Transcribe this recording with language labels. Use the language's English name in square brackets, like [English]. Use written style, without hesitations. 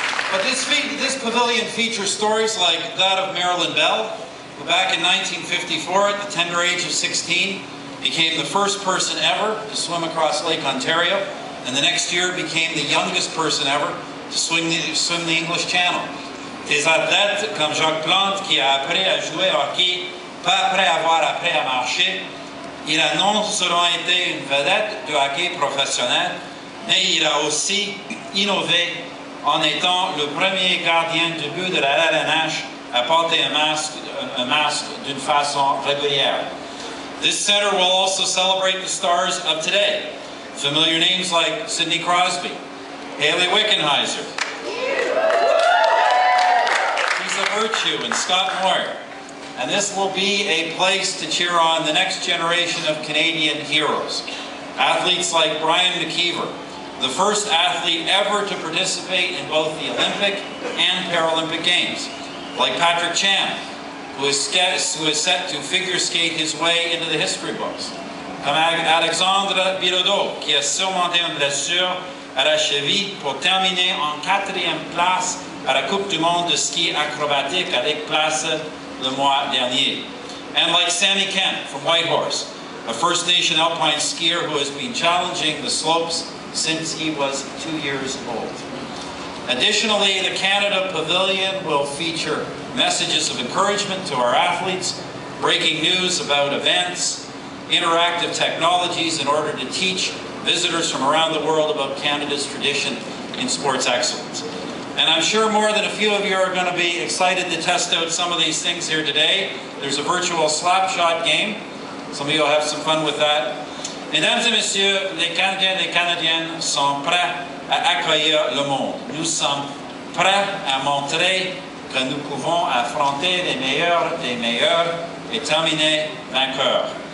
[English] But this pavilion features stories like that of Marilyn Bell, who back in 1954, at the tender age of 16, became the first person ever to swim across Lake Ontario, and the next year became the youngest person ever to swim the English Channel. [French] Des athlètes comme Jacques Plante, qui a appris à jouer au hockey, pas après avoir appris à marcher, il a non seulement été une vedette du hockey professionnel, mais il a aussi innové en étant le premier gardien de but de la LNH à porter un masque d'une façon régulière. [English] This center will also celebrate the stars of today. Familiar names like Sidney Crosby, Haley Wickenheiser, Lisa Virtue, and Scott Moir. And this will be a place to cheer on the next generation of Canadian heroes. Athletes like Brian McKeever, the first athlete ever to participate in both the Olympic and Paralympic Games. Like Patrick Chan, who is set to figure skate his way into the history books. [French] Comme Alexandre Bilodeau, qui a surmonté une blessure à la cheville pour terminer en quatrième place à la Coupe du Monde de ski acrobatique à Lake Placid le mois dernier. [English] And like Sammy Kent from Whitehorse, a First Nation alpine skier who has been challenging the slopes since he was 2 years old. Additionally, the Canada Pavilion will feature messages of encouragement to our athletes, breaking news about events, interactive technologies in order to teach visitors from around the world about Canada's tradition in sports excellence. And I'm sure more than a few of you are going to be excited to test out some of these things here today. There's a virtual slapshot game. Some of you will have some fun with that. [French] Mesdames et messieurs, les Canadiens sont prêts à accueillir le monde. Nous sommes prêts à montrer que nous pouvons affronter les meilleurs et terminer vainqueurs.